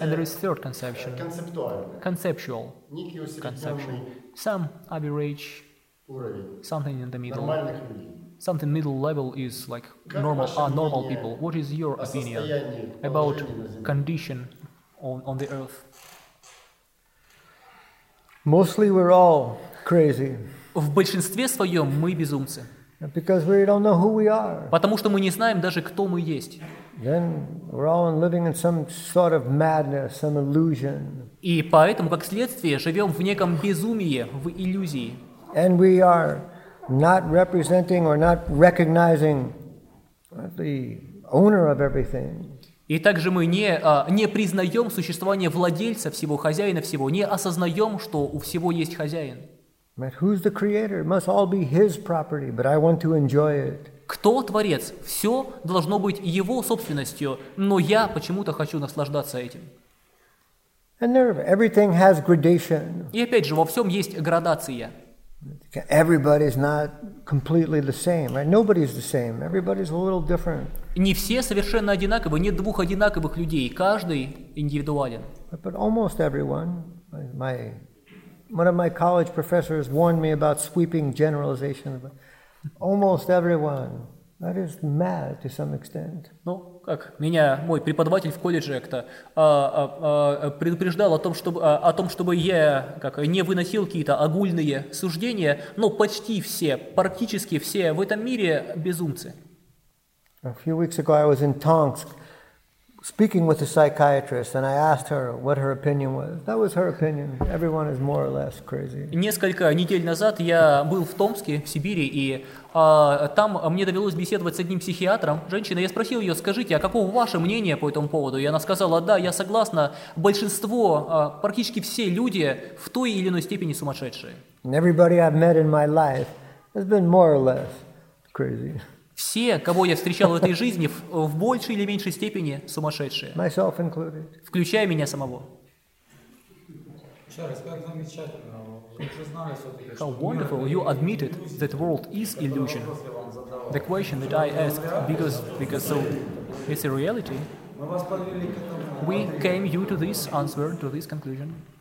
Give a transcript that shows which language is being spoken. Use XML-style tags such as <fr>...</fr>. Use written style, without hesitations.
<en>And there is third conception, conceptual conception, some average, something in the middle. Something middle level is like normal people. What is your opinion about condition on the Earth? Mostly we're all crazy.</en> <ru>В большинстве своем мы безумцы.</ru> <en>Because we don't know who we are.</en> <ru>Потому что мы не знаем даже, кто мы есть.</ru> <en>Then we're all living in some sort of madness, some illusion.</en> <ru>И поэтому, как следствие, живем в неком безумии, в иллюзии.</ru> <en>And we are not representing or not recognizing the owner of everything.</en> <ru>И также мы не признаем существование владельца всего, хозяина всего, не осознаем, что у всего есть хозяин.</ru> <en>But who's the creator? It must all be his property, but I want to enjoy it.</en> <ru>Кто творец? Все должно быть его собственностью, но я почему-то хочу наслаждаться этим.</ru> <en>And everything has gradation.</en> <ru>И опять же, во всем есть градация.</ru> <en>Everybody's not completely the same, right? Nobody's the same. Everybody's a little different.</en> <ru>Не все совершенно одинаковы, нет двух одинаковых людей. Каждый индивидуален.</ru> <en>But almost everyone, one of my college professors warned me about sweeping generalization. Almost everyone. That is mad to some extent.</en> <ru>Ну, как меня мой преподаватель в колледже как-то предупреждал о том, чтобы я как не выносил какие-то огульные суждения, но почти все, практически все в этом мире безумцы.</ru> <en>A few weeks ago I was in Tomsk speaking with a psychiatrist, and I asked her what her opinion was. That was her opinion. Everyone is more or less crazy.</en> <ru>Несколько недель назад я был в Томске, в Сибири, и там мне довелось беседовать с одним психиатром, женщиной. Я спросил ее: скажите, а каково ваше мнение по этому поводу? И она сказала: да, я согласна. Большинство, практически все люди в той или иной степени сумасшедшие.</ru> <en>And everybody I've met in my life has been more or less crazy.</en> <ru>Все, кого я встречал в этой жизни, в большей или меньшей степени сумасшедшие.</ru> <en>Myself included.</en> <ru>Включая меня самого. Чарльз, как замечательно. Вы уже знали все-таки.</ru> <en>How wonderful you admitted that world is illusion. The question that I asked, because so it's a reality. We came you to this answer, to this conclusion.</en>